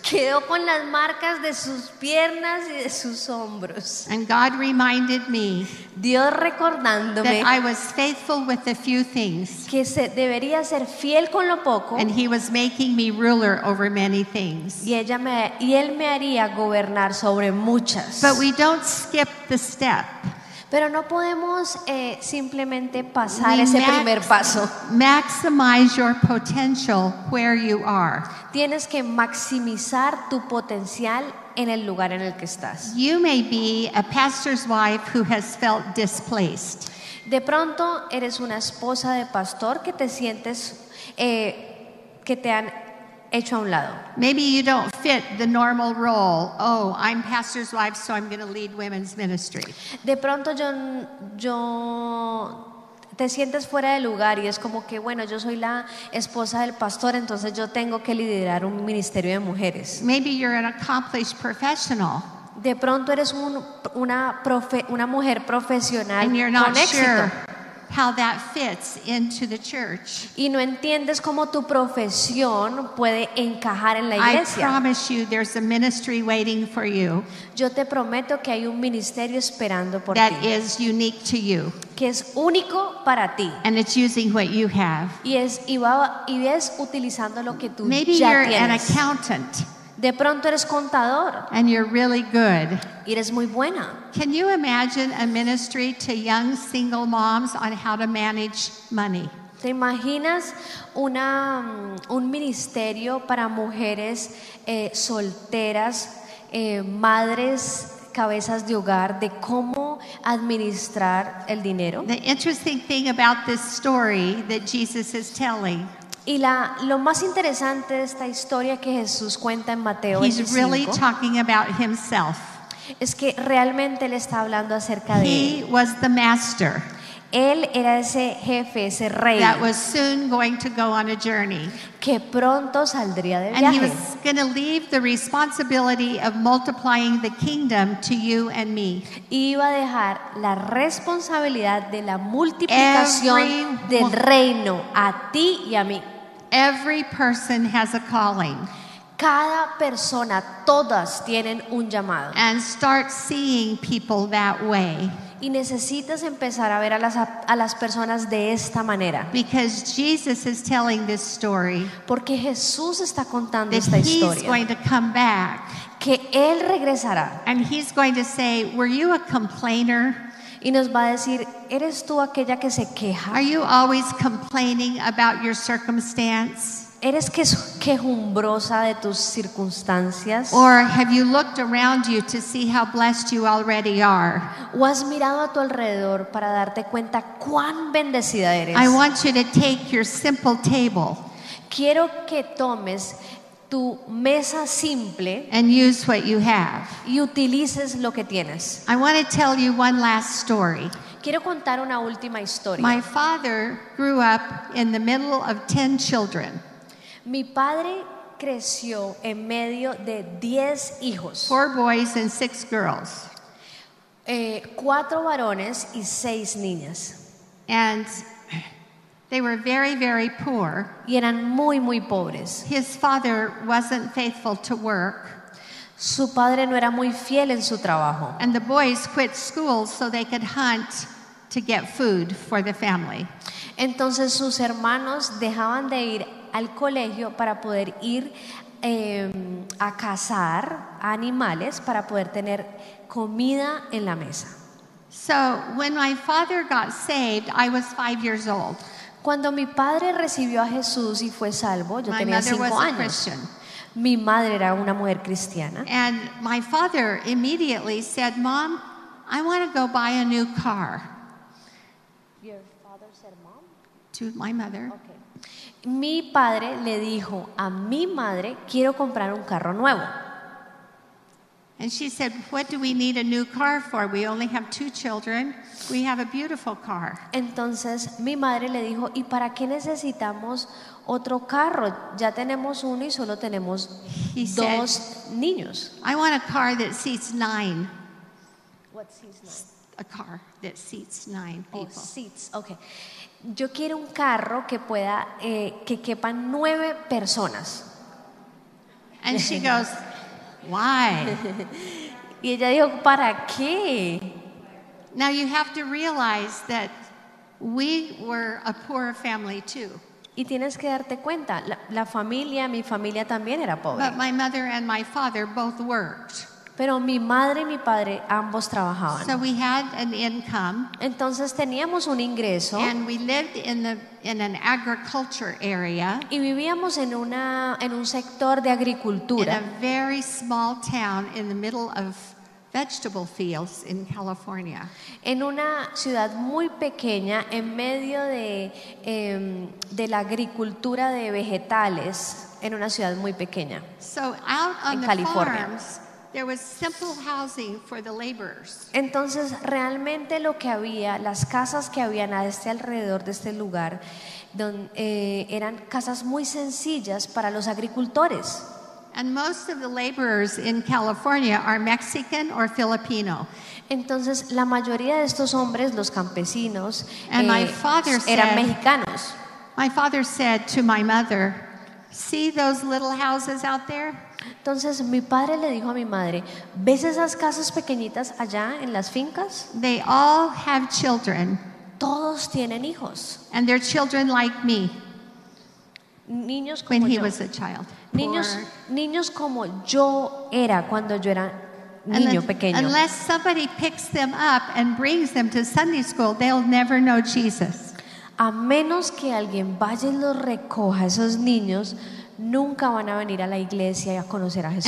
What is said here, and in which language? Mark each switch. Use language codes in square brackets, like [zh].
[es] Quedó con las marcas de sus piernas y de sus hombros. [en] And God reminded me, [es] Dios recordándome, [en] that I was faithful with a few things, [es] que se debería ser fiel con lo poco, [en] and he was making me ruler over many things. [es] Y él me haría gobernar sobre muchas. [en] But we don't skip the step. [es] Pero no podemos simplemente pasar ese primer paso. [en] Maximize your potential where you are. [es] Tienes que maximizar tu potencial en el lugar en el que estás. [en] You may be a pastor's wife who has felt displaced. [es] De pronto eres una esposa de pastor que te sientes que te han hecho a un lado. [en] Maybe you don't fit the normal role. Oh, I'm pastor's wife, so I'm going to lead women's ministry. [es] De pronto yo te sientes fuera de lugar y es como que bueno, yo soy la esposa del pastor, entonces yo tengo que liderar un ministerio de mujeres. [en] Maybe you're an accomplished professional. [es] De pronto eres una mujer profesional con éxito. [en] And you're not sure how that fits into the church. [es] Y no entiendes cómo tu profesión puede encajar en la iglesia. [en] I promise you there's a ministry waiting for you. [es] Yo te prometo que hay un ministerio esperando por ti. [en] That is unique to you. [es] Que es único para ti. [en] And it's using what you have. [es] Y es utilizando lo que tú ya tienes. [en] Maybe you're an accountant. [es] De pronto eres contador. [en] And you're really good. [es] Y eres muy buena. [en] Can you imagine a ministry to young single moms on how to manage money? [es] ¿Te imaginas un ministerio para mujeres solteras, madres, cabezas de hogar, de cómo administrar el dinero? [en] The interesting thing about this story that Jesus is telling, [es] y lo más interesante de esta historia que Jesús cuenta en Mateo [en] 25, he's really talking about himself. [es] Es que realmente él está hablando acerca de [en] él. He was the master. [es] Él era ese jefe, ese rey, [en] that was soon going to go on a journey. [es] Que pronto saldría de viaje. [en] And he was going to leave the responsibility of multiplying the kingdom to you and me. [es] Iba a dejar la responsabilidad de la multiplicación del reino a ti y a mí. [en] Every person has a calling. [es] Cada persona, todas tienen un llamado. [en] And start seeing people that way. [es] Y necesitas empezar a ver a las personas de esta manera. [en] Because Jesus is telling this story. [es] Porque Jesús está contando [en] that [es] esta [en] he's [es] historia. [en] He's going to come back. [es] Que él regresará. [en] And he's going to say, "Were you a complainer?" [es] Y nos va a decir, "¿Eres tú aquella que se queja?" [en] Are you always complaining about your circumstance? [es] ¿Eres quejumbrosa de tus circunstancias? [en] Or have you looked around you to see how blessed you already are? [es] ¿O has mirado a tu alrededor para darte cuenta cuán bendecida eres? [en] I want you to take your simple table. [es] Quiero que tomes tu mesa simple [en] and use what you have. [es] Y utilices lo que tienes. [en] I want to tell you one last story. [es] Quiero contar una última historia. [en] My father grew up in the middle of 10 children. [es] Mi padre creció en medio de 10 hijos. [en] 4 boys and 6 girls. [es] 4 varones y 6 niñas. [en] And they were very, very poor. [es] Y eran muy, muy pobres. [en] His father wasn't faithful to work. [es] Su padre no era muy fiel en su trabajo. [en] And the boys quit school so they could hunt to get food for the family. [es] Entonces sus hermanos dejaban de ir al colegio para poder ir a cazar animales para poder tener comida en la mesa. [en] So when my father got saved, I was 5 years old. [es] Cuando mi padre recibió a Jesús y fue salvo, yo [en] my [es] tenía 5 años. Mi madre era una mujer cristiana. [en] And my father immediately said, "Mom, I want to go buy a new car." Your father said, "Mom?" To my mother. Okay. [es] Mi padre le dijo a mi madre, "Quiero comprar un carro nuevo." [en] And she said, "What do we need a new car for? We only have 2 children. We have a beautiful car." [es] Entonces mi madre le dijo, "¿Y para qué necesitamos otro carro? Ya tenemos uno y solo tenemos 2 niños." [en] "I want a car that seats 9." "What seats 9?" "A car that seats 9 people." "Oh, seats, okay. [es] Yo quiero un carro que pueda que quepan 9 personas." [en] And she goes, "Why?" [es] Y ella dijo, "¿Para qué?" [en] Now you have to realize that we were a poor family too. [es] Y tienes que darte cuenta, la familia, mi familia también era pobre. [en] But my mother and my father both worked. [es] Pero mi madre y mi padre ambos trabajaban. [en] So we had an income, [es] entonces teníamos un ingreso. [en] And we lived in an agriculture area, [es] y vivíamos en una en un sector de agricultura. [en] In a very small town in the middle of vegetable fields in California. [es] En una ciudad muy pequeña en medio de la agricultura de vegetales en una ciudad muy pequeña. [en] So out on the farms, there was simple housing for the laborers. [es] Entonces, realmente lo que había, las casas que habían a este alrededor de este lugar, eran casas muy sencillas para los agricultores. [en] And most of the laborers in California are Mexican or Filipino. [es] Entonces, la mayoría de estos hombres, los campesinos, [en] and my father [es] eran [en] said, [es] mexicanos. [en] My father said to my mother, "See those little houses out there?" [es] Entonces mi padre le dijo a mi madre, "¿Ves esas casas pequeñitas allá en las fincas?" [en] They all have children. [es] Todos tienen hijos. [en] And they're children like me. [es] Niños como [en] when When he was a child. [es] Niños, niños como yo era cuando yo era niño pequeño. [en] Unless somebody picks them up and brings them to Sunday school, they'll never know Jesus. [es] A menos que alguien vaya y los recoja esos niños, nunca van a venir a la iglesia y a conocer a Jesús.